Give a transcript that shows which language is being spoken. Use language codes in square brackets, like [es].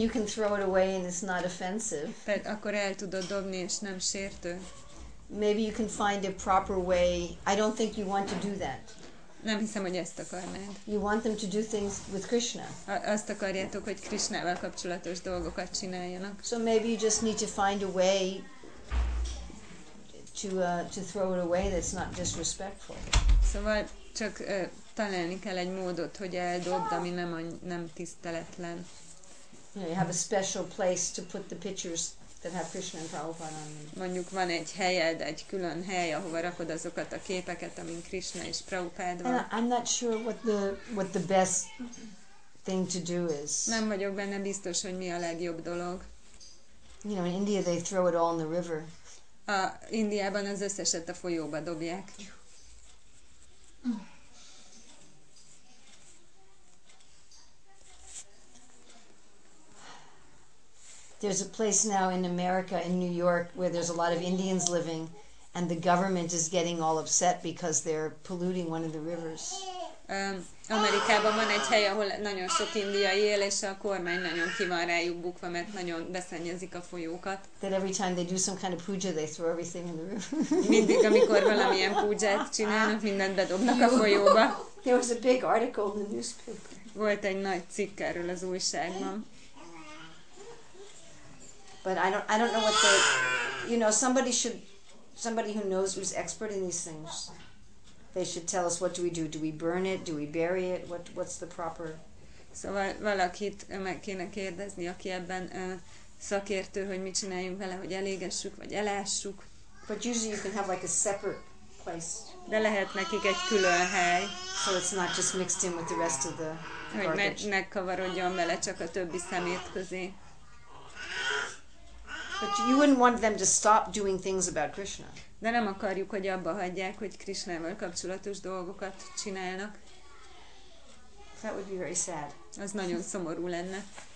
[en] you can throw it away and it's not offensive. [hu] Akkor el tudod dobni és nem sértő. [en] Maybe you can find a proper way. I don't think you want to do that. [hu] Nem hiszem, hogy ezt akarnád. [en] You want them to do things with Krishna. [hu] Azt akarjátok, hogy Krishnával kapcsolatos dolgokat csináljanak. [en] So maybe you just need to find a way to throw it away that's not disrespectful. [hu] Szóval csak találni kell egy módot, hogy eldobd, ami nem tiszteletlen. [en] You have a special place to put the pictures that have Krishna and Prabhupada on them. [hu] Mondjuk van egy helyed, egy külön hely, ahova rakod azokat a képeket, amin Krishna és Prabhupada van. [en] I'm not sure what the best thing to do is. [hu] Nem vagyok benne biztos, hogy mi a legjobb dolog. [en] You know, in India they throw it all in the river. [hu] A Indiában az összeset a folyóba dobják. [en] There's a place now in America, in New York, where there's a lot of Indians living, and the government is getting all upset because they're polluting one of the rivers. [hu] Amerikában van egy hely, ahol nagyon sok indiai él, és a kormány nagyon ki van rájuk bukva, mert nagyon beszennyezik a folyókat. [en] That every time they do some kind of puja, they throw everything in the river. [hu] Mindig, amikor valamilyen pujat csinálnak, mindent bedobnak a folyóba. [en] There was a big article in the newspaper. [hu] Volt egy nagy cikk erről az újságban. [en] But I don't know what the, you know, somebody who knows, who's expert in these things, they should tell us, what do we do? Do we burn it? Do we bury it? What's the proper? [hu] Szóval valakit meg kéne kérdezni, aki ebben szakértő, hogy mit csináljunk vele, hogy elégessük vagy elássuk. [en] But usually you can have like a separate place. [hu] De lehet nekik egy külön hely. [en] So it's not just mixed in with the rest of the garbage. [hu] Hogy ne kavarodjon bele csak a többi szemét közé. [en] But you wouldn't want them to stop doing things about Krishna. [hu] De nem akarjuk, hogy abba hagyják, hogy Krishnával kapcsolatos dolgokat csinálnak. [en] That would be very sad. [hu] Az nagyon szomorú lenne.